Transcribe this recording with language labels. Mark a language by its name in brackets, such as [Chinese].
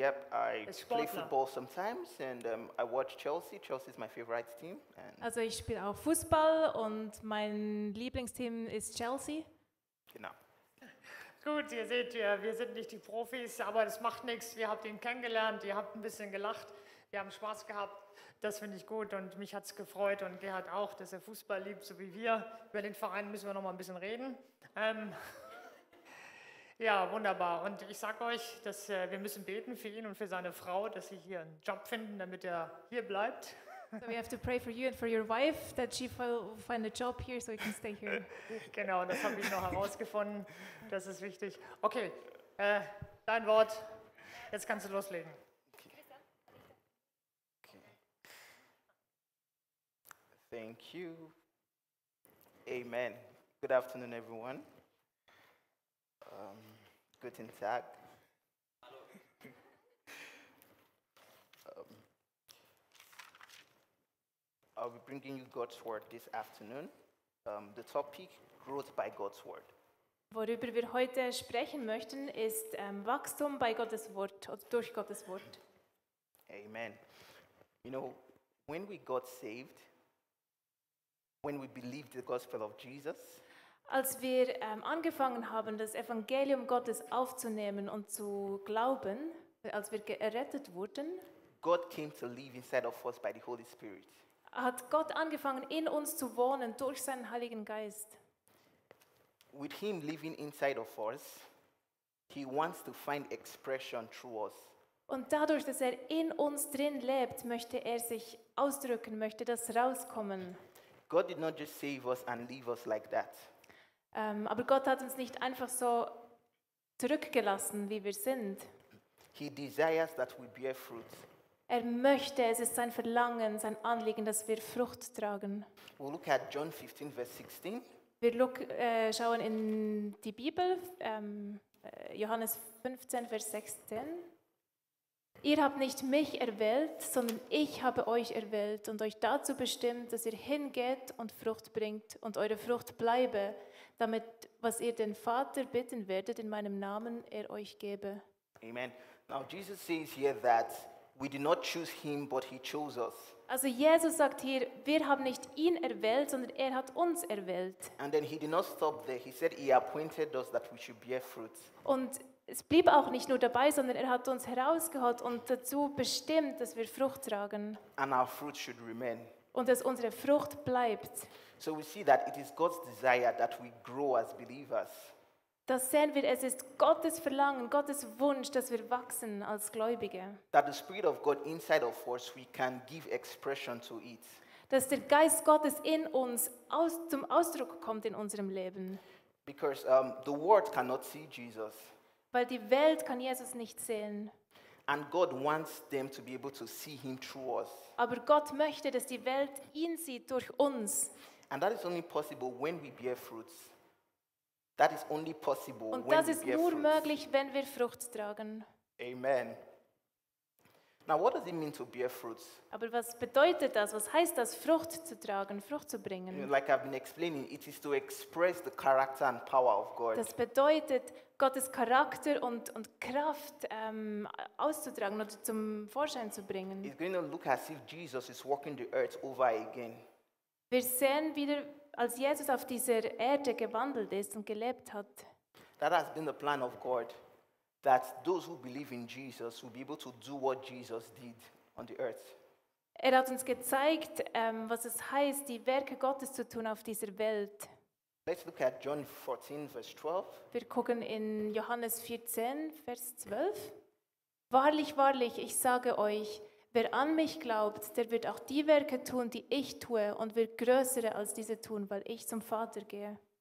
[English] I play football sometimes and I watch Chelsea. Chelsea is my favorite team. [German] Also ich spiele auch Fußball und mein Lieblingsteam ist Chelsea. Genau. Gut, ihr seht, wir sind nicht die Profis, aber das macht nichts. Ihr habt ihn kennengelernt, ihr habt ein bisschen gelacht, wir haben Spaß gehabt. Das finde ich gut und mich hat es gefreut und Gerhard auch, dass er Fußball liebt, so wie wir. Über den Verein müssen wir noch mal ein bisschen reden. Ja, wunderbar. Und ich sage euch, dass wir müssen beten für ihn und für seine Frau, dass sie hier einen Job finden, damit er hier bleibt. [English] So we have to pray for you and for your wife, that she will find a job here, so you can stay here. [German] Genau, das habe ich noch herausgefunden. Das ist wichtig. Okay, dein Wort. Jetzt kannst du loslegen. [English] Okay. Thank you. Amen. Good afternoon, everyone. [German] Guten Tag. Hallo. [English] I'll be bringing you God's word this afternoon. The topic: growth by God's word. [German] Worüber wir heute sprechen möchten, ist Wachstum bei Gottes Wort oder durch Gottes Wort. [English] Amen. You know, when we got saved, when we believed the gospel of Jesus. [German] Als wir angefangen haben, das Evangelium Gottes aufzunehmen und zu glauben, als wir gerettet wurden, [English] God came to live inside of us by the Holy Spirit. [German] Hat Gott angefangen, in uns zu wohnen durch seinen Heiligen Geist. [English] With him living inside of us, he wants to find expression through us. [German] Und dadurch, dass er in uns drin lebt, möchte er sich ausdrücken, möchte das rauskommen. [English] God did not just save us and leave us like that. [German] Aber Gott hat uns nicht einfach so zurückgelassen, wie wir sind. [English] He desires that we bear fruit. [German] Er möchte, es ist sein Verlangen, sein Anliegen, dass wir Frucht tragen. [English] We'll look at John 15, verse 16. [German] Wir schauen in die Bibel, Johannes 15, Vers 16. Ihr habt nicht mich erwählt, sondern ich habe euch erwählt und euch dazu bestimmt, dass ihr hingeht und Frucht bringt und eure Frucht bleibe, damit, was ihr den Vater bitten werdet, in meinem Namen er euch gebe. Amen. [English] Now Jesus says here that we did not choose him, but he chose us. [German] Also Jesus sagt hier, wir haben nicht ihn erwählt, sondern er hat uns erwählt. [English] And then he did not stop there. He said he appointed us that we should bear fruit. [German] Und es blieb auch nicht nur dabei, sondern er hat uns herausgeholt und dazu bestimmt, dass wir Frucht tragen. [English] And our fruit should remain. [German] Und dass unsere Frucht bleibt. [English] So we see that it is God's desire that we grow as believers. [German] Das sehen wir, es ist Gottes Verlangen, Gottes Wunsch, dass wir wachsen als Gläubige. [English] That the Spirit of God inside of us, we can give expression to it. [German] Dass der Geist Gottes in uns zum Ausdruck kommt in unserem Leben. [English] Because the world cannot see Jesus. [German] Weil die Welt kann Jesus nicht sehen. [English] And God wants them to be able to see him through us. [German] Aber Gott möchte, dass die Welt ihn sieht durch uns. [English] And that is only possible when we bear fruits. That is only possible [German] Und [English] when [German] das ist [English] we bear [German] nur [English] fruits. [German] Möglich, wenn wir Frucht tragen. Amen. [English] Now what does it mean to bear fruits? [German] Aber was bedeutet das? Was heißt das, Frucht zu tragen, Frucht zu bringen? [English] You know, like I've been explaining, it is to express the character and power of God. [German] Das bedeutet, Gottes Charakter und Kraft auszutragen oder zum Vorschein zu bringen. [English] It's going to look as if Jesus is walking the earth over again. [German] Wir sehen wieder, als Jesus auf dieser Erde gewandelt ist und gelebt hat. [English] That has been the plan of God. That those who believe in Jesus will be able to do what Jesus did on the earth. [German] Er hat uns gezeigt, was es heißt, die Werke Gottes zu tun auf dieser Welt. [English] Let's look at John 14, verse 12. [German] Wir gucken in Johannes 14, Vers 12. Wahrlich, wahrlich, ich sage euch, wer an mich glaubt, der wird auch die Werke tun, die ich tue, und wird größere als diese tun, weil ich zum Vater gehe.